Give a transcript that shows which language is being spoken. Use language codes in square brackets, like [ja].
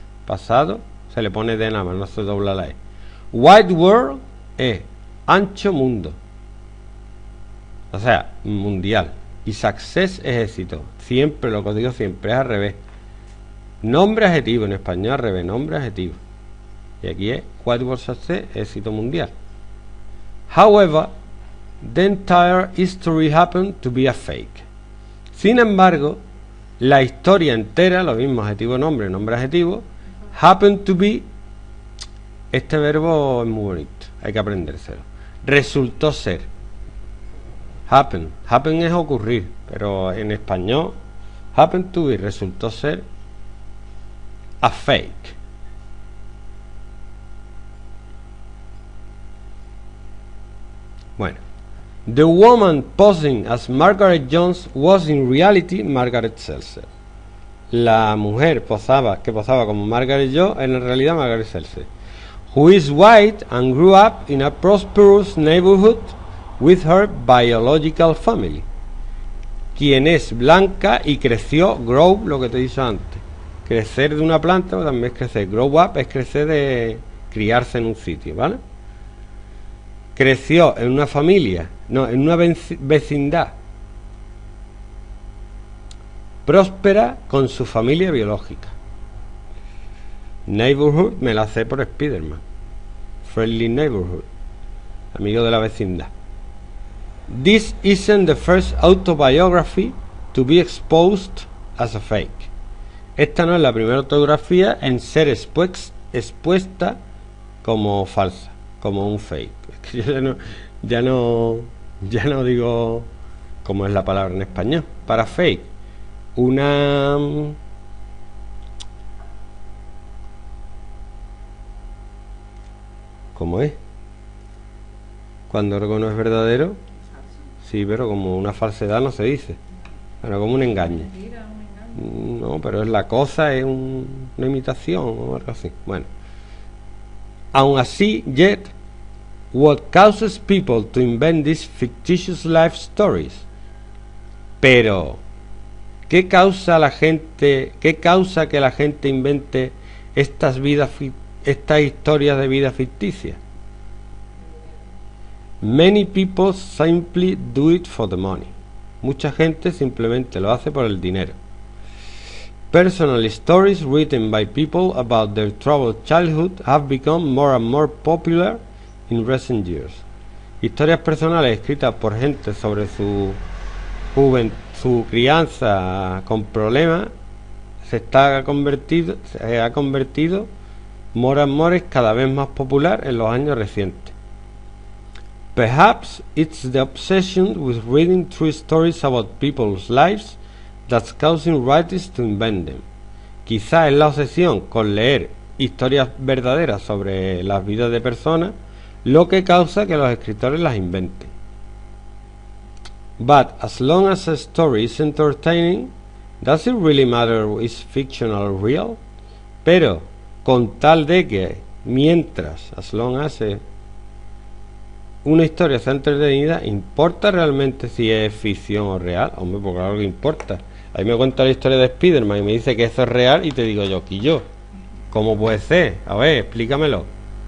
[es] Pasado, se le pone de nada más, no se dobla la E. Wide World es ancho mundo. O sea, mundial. Y success es éxito. Siempre, lo que digo siempre, es al revés. Nombre adjetivo, en español al revés, nombre adjetivo. Y aquí es Wide World Success, éxito mundial. [en] However, the entire history happened to be a fake. [es] Sin embargo, la historia entera, lo mismo, adjetivo, nombre, nombre, adjetivo, [en] happened to be. [es] Este verbo es muy bonito, hay que aprendérselo. Resultó ser. Happen. Happen es ocurrir, pero en español, [en] happened to be, [es] resultó ser a fake. [en] Bueno, the woman posing as Margaret Jones was in reality Margaret Seltzer. [es] La mujer posaba, que posaba como Margaret Jones, en realidad Margaret Seltzer. [en] Who is white and grew up in a prosperous neighborhood with her biological family. [es] Quien es blanca y creció, grow, lo que te he dicho antes. Crecer de una planta también es crecer. Grow up es crecer de. criarse en un sitio, ¿vale? Creció en una familia, no, en una vecindad próspera con su familia biológica. Neighborhood me la hace por Spiderman. [en] Friendly neighborhood. [es] Amigo de la vecindad. [en] This isn't the first autobiography to be exposed as a fake. [es] Esta no es la primera autobiografía en ser expuesta como falsa, como un fake. Es que yo ya no digo cómo es la palabra en español para fake. Una ¿cómo es? Cuando algo no es verdadero. Sí, pero como una falsedad no se dice. Bueno, como un engaño. No, pero es la cosa, es una imitación o algo así. Bueno. Aun así, [en] yet what causes people to invent these fictitious life stories? [es] Pero ¿Qué causa que la gente invente estas historias de vida ficticia? [en] Many people simply do it for the money. [es] Mucha gente simplemente lo hace por el dinero. [en] Personal stories written by people about their troubled childhood have become more and more popular in recent years. [es] Historias personales escritas por gente sobre su juventud, su crianza con problemas, se ha convertido [en] more and more, [es] cada vez más popular en los años recientes. [en] Perhaps it's the obsession with reading true stories about people's lives that's causing writers to invent them. [es] Quizá es la obsesión con leer historias verdaderas sobre las vidas de personas lo que causa que los escritores las inventen. [en] But as long as a story is entertaining, does it really matter if it's fictional or real? [es] Pero con tal de que mientras, [en] as long as [es] una historia sea entretenida, ¿importa realmente si es ficción o real? Hombre, porque claro que importa. Ahí me cuenta la historia de Spiderman y me dice que eso es real y te digo yo, ¿cómo puede ser? A ver, explícamelo.